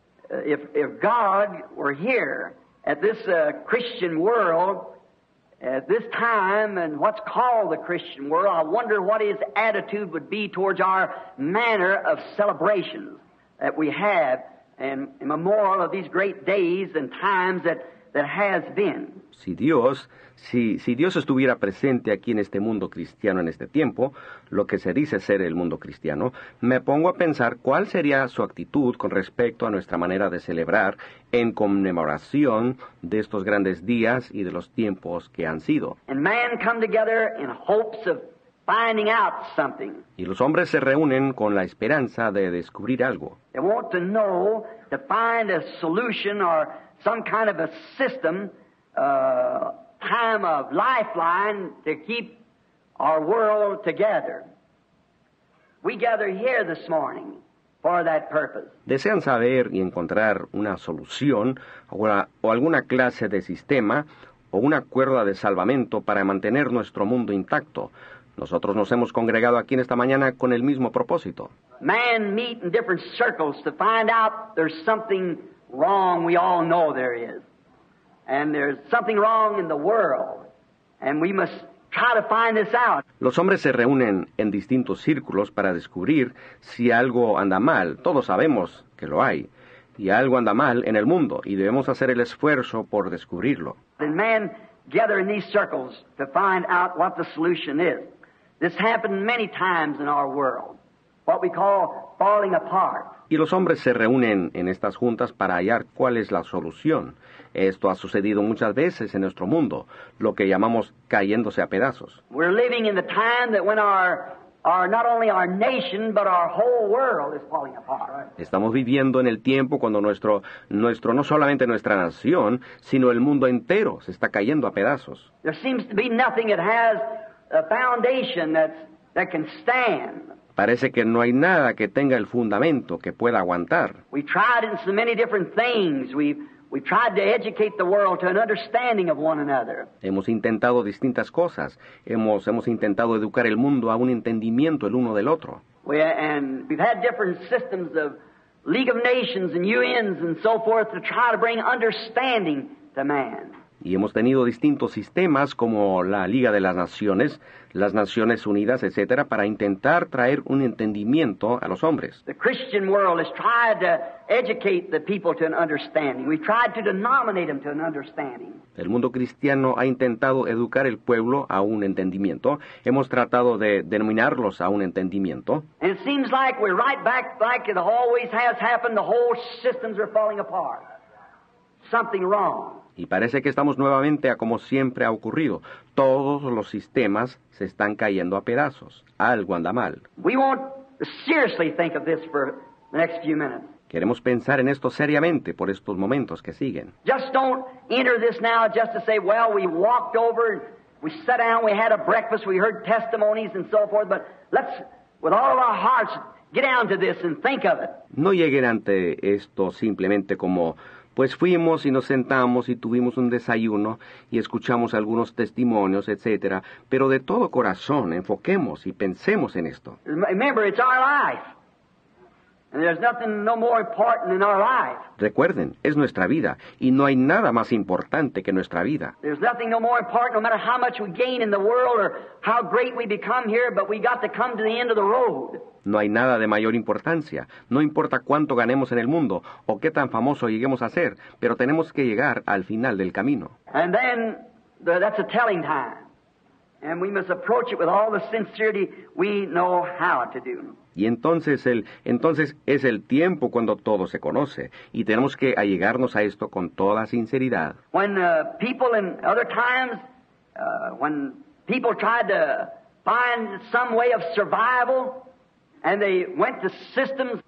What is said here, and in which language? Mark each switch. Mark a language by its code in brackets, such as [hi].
[en] If God were here at this Christian world at this time and what's called the Christian world, I wonder what his attitude would be towards our manner of celebrations that we have and in memorial of these great days and times that has been. [es] Si Dios estuviera presente aquí en este mundo cristiano en este tiempo, lo que se dice ser el mundo cristiano, me pongo a pensar cuál sería su actitud con respecto a nuestra manera de celebrar en conmemoración de estos grandes días y de los tiempos que han sido. [en] And man come together in hopes of finding out something. [es] Y los hombres se reúnen con la esperanza de descubrir algo. [en] They want to know, to find a solution or some kind of a system, time of lifeline to keep our world together. We gather here this morning for that purpose. [es] Desean saber y encontrar una solución o alguna clase de sistema o una cuerda de salvamento para mantener nuestro mundo intacto. Nosotros nos hemos congregado aquí en esta mañana con el mismo propósito. [en] Man meet in different circles to find out there's something wrong. We all know there is. And there's something wrong in the world, and we must try to find this out. [es] Los hombres se reúnen en distintos círculos para descubrir si algo anda mal. Todos sabemos que lo hay, y algo anda mal en el mundo, y debemos hacer el esfuerzo por descubrirlo. [en] The men gather in these circles to find out what the solution is. This happened many times in our world, what we call falling apart. [es] Y los hombres se reúnen en estas juntas para hallar cuál es la solución. Esto ha sucedido muchas veces en nuestro mundo, lo que llamamos cayéndose a pedazos. [en] We're living in the time that when our not only our nation, but our whole world is falling apart. [es] Estamos viviendo en el tiempo cuando nuestro no solamente nuestra nación, sino el mundo entero se está cayendo a pedazos. [en] There seems to be nothing that has a foundation that can stand. [es] Parece que no hay nada que tenga el fundamento que pueda aguantar. [en] We've tried in so many different things. We've tried to educate the world to an understanding of one another. [es] Hemos intentado distintas cosas. Hemos intentado educar el mundo a un entendimiento el uno del otro. [en] We've had different systems of League of Nations and UNs and so forth to try to bring understanding to man. [es] Y hemos tenido distintos sistemas como la Liga de las Naciones Unidas, etcétera, para intentar traer un entendimiento a los hombres. [en] The Christian world has tried to educate the people to an understanding. We've tried to denominate them to an understanding. [es] El mundo cristiano ha intentado educar el pueblo a un entendimiento. Hemos tratado de denominarlos a un entendimiento. [en] And it seems like we're right back like it always has happened. The whole systems are falling apart. Something wrong. [es] Y parece que estamos nuevamente a como siempre ha ocurrido. Todos los sistemas se están cayendo a pedazos. Algo anda mal. [en] We won't seriously think of this for the next few minutes. [es] Queremos pensar en esto seriamente por estos momentos que siguen. [en] Just don't enter this now just to say, well, we walked over, we sat down, we had a breakfast, we heard testimonies and so forth, but let's, with all of our hearts, get down to this and think of it. [es] No lleguen ante esto simplemente como... Pues fuimos y nos sentamos y tuvimos un desayuno y escuchamos algunos testimonios, etcétera. Pero de todo corazón, enfoquemos y pensemos en esto. [en] Remember, it's our life. And there's nothing no more important in our life. [es] Recuerden, es nuestra vida, y no hay nada más importante que nuestra vida. [en] There's nothing no more important, no matter how much we gain in the world or how great we become here, but we got to come to the end of the road. [es] No hay nada de mayor importancia. No importa cuánto ganemos en el mundo o qué tan famoso lleguemos a ser, pero tenemos que llegar al final del camino. [en] And then, that's a telling time. And we must approach it with all the sincerity we know how to do. [es] Y entonces es el tiempo cuando todo se conoce y tenemos que allegarnos a esto con toda sinceridad. [en] When people in other times, when people tried to find some way of survival, and they went to systems.